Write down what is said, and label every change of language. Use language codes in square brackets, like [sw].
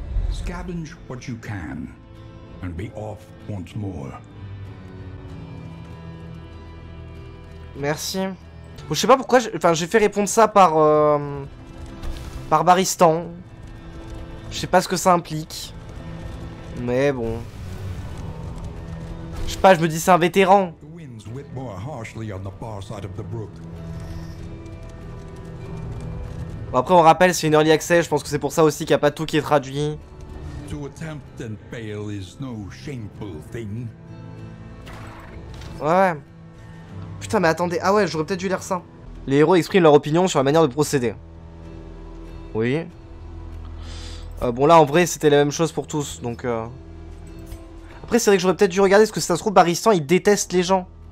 [en] Scavenge what you can and be off once more. [fr] Merci. Bon, je sais pas pourquoi enfin, j'ai fait répondre ça par... par baristan. Je sais pas ce que ça implique. Mais bon... Je sais pas, je me dis c'est un vétéran. Bon, après on rappelle, c'est une early access, je pense que c'est pour ça aussi qu'il n'y a pas tout qui est traduit. [en] To attempt and fail is no shameful thing. [fr] Ouais. Putain, mais attendez. Ah ouais, j'aurais peut-être dû lire ça. Les héros expriment leur opinion sur la manière de procéder. Oui. Bon, là, en vrai, c'était la même chose pour tous, donc... Après, c'est vrai que j'aurais peut-être dû regarder, parce que si ça se trouve, Baristan, il déteste les gens.